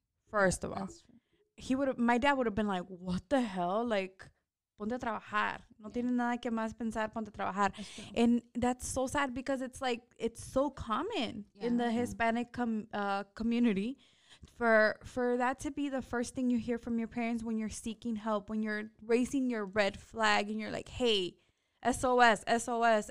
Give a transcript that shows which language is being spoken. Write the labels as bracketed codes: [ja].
[en] First of all, he would have, my dad would have been like, what the hell? [es] Like, ponte a trabajar. No tienes nada que más pensar, ponte a trabajar. [en] And that's so sad because it's like, it's so common in the Hispanic community for that to be the first thing you hear from your parents when you're seeking help, when you're raising your red flag and you're like, hey, SOS, SOS.